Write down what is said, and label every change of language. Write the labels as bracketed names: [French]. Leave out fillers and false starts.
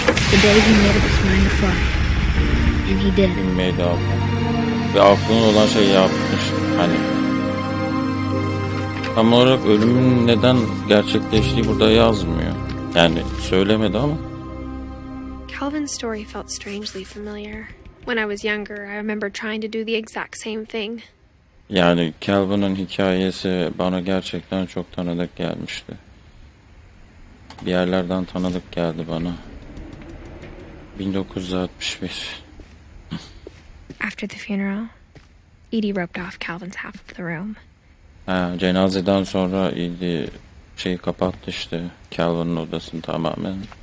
[English] the day he made up his mind to fly. And he did. He made up. [Turkish] Ve aklına olan şeyi yapmış. Hani. Tam olarak ölümün neden gerçekleştiği burada yazmıyor. Yani söylemedi ama. [English] Calvin's story felt strangely familiar. When I was younger, I remember trying to do the exact same thing. [Turkish] Yani Calvin'ın hikayesi bana gerçekten çok tanıdık gelmişti. Bir yerlerden tanıdık geldi bana. 1961. [English] After the funeral, Edie roped off Calvin's half of the room. [Turkish] Ha, cenazeden sonra Edie şeyi kapattı işte, Calvin'ın odasını tamamen.